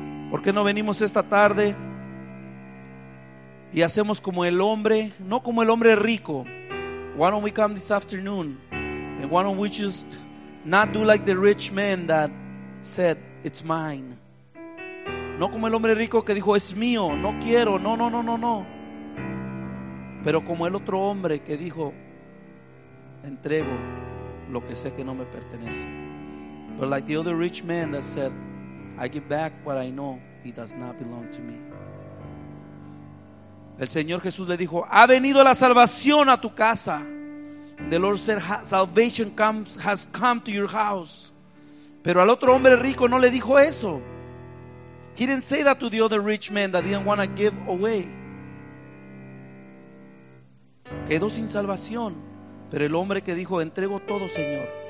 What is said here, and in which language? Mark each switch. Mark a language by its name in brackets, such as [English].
[Spanish] ¿Por qué no venimos esta tarde y hacemos como el hombre, no como el hombre rico? [English] Why don't we come this afternoon? And why don't we just not do like the rich man that said, it's mine. [Spanish] No como el hombre rico que dijo, es mío, no quiero, no. Pero como el otro hombre que dijo, entrego lo que sé que no me pertenece. [English] But like the other rich man that said, I give back what I know, it does not belong to me. [Spanish] El Señor Jesús le dijo, ha venido la salvación a tu casa. [English] The Lord said, salvation comes, has come to your house. [Spanish] Pero al otro hombre rico no le dijo eso. [English] He didn't say that to the other rich man that didn't want to give away. [Spanish] Quedó sin salvación. Pero el hombre que dijo, entrego todo, Señor.